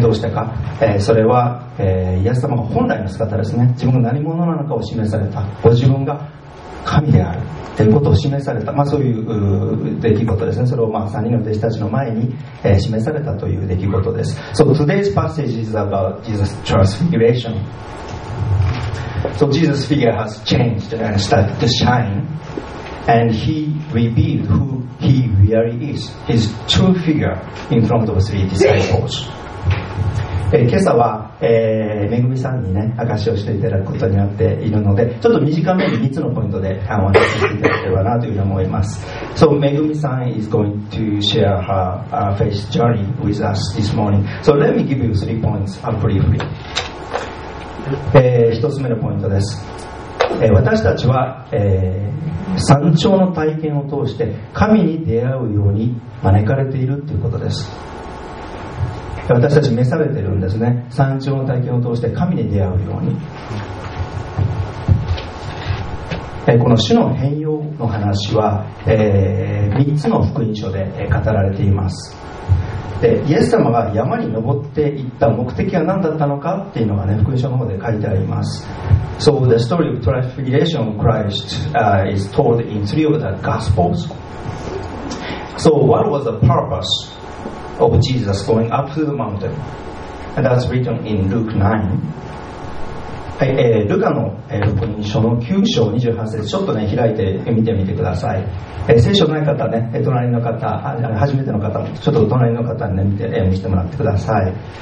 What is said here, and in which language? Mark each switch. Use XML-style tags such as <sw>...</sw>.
<ja>どうしてか、それは、イエス様が本来の姿ですね、自分が何者なのかを示された、ご自分が神であるということを示された、まあ、そういう出来事ですね。それを、まあ、三人の弟子たちの前に、示されたという出来事です。</ja> <en>So today's passage is about Jesus transfiguration. So Jesus figure has changed and started to shine, and he revealed who he really is, his true figure in front of three disciples.</en> <ja>今朝はめぐみさんにね、証しをしていただくことになっているので、ちょっと短めに3つのポイントでお話ししていただければなというふうに思います。</ja> <en>So Megumi さん is going to share her faith journey with us this morning. So let me give you three points briefly.</en> <ja>1つ目のポイントです。私たちは、山頂の体験を通して神に出会うように招かれているということです。私たち召されているんですね。山頂の体験を通して神に出会うように、この主の変容の話は、3つの福音書で語られています。でイエス様が山に登っていった目的は何だったのかっていうのがね、福音書の方で書いてあります。</ja> <en>So the story of transfiguration of Christ is told in three of the Gospels. So what was the purpose of Jesus going up to the mountain? And that's written in Luke 9.</en> <ja>ルカの福音書の9章28節、ちょっとね開いて見てみてください。聖書ない方ね、隣の方、初めての方、ちょっと隣の方に、ね、見てもらってください。</ja>